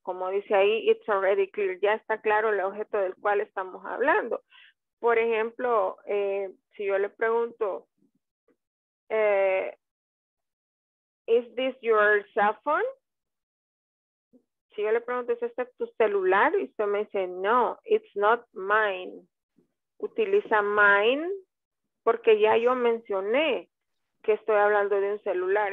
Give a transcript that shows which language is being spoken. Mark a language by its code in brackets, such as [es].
[es] Como dice ahí, [en] it's already clear. [es] Ya está claro el objeto del cual estamos hablando. Por ejemplo, si yo le pregunto, [en] is this your cell phone? [es] Si yo le pregunto, ¿es este tu celular? Y usted me dice, no, [en] it's not mine. [es] Utiliza mine porque ya yo mencioné que estoy hablando de un celular.